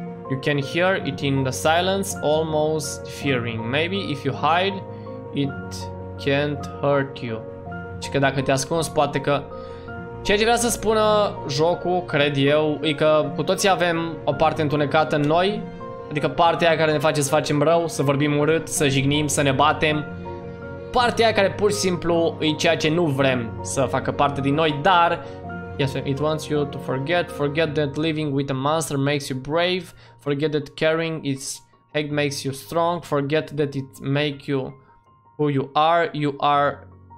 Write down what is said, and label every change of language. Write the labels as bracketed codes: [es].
[en] You can hear it in the silence, almost fearing. Maybe if you hide, it can't hurt you. [ro] Și că dacă te ascunzi, poate că... Ceea ce vrea să spună jocul, cred eu, e că cu toții avem o parte întunecată în noi. Adică partea aia care ne face să facem rău, să vorbim urât, să jignim, să ne batem. Partea aia care pur și simplu e ceea ce nu vrem să facă parte din noi, dar... [en] Yes, it wants you to forget. Forget that living with a monster makes you brave. Forget that caring its hate makes you strong. Forget that it makes you who you are. You are...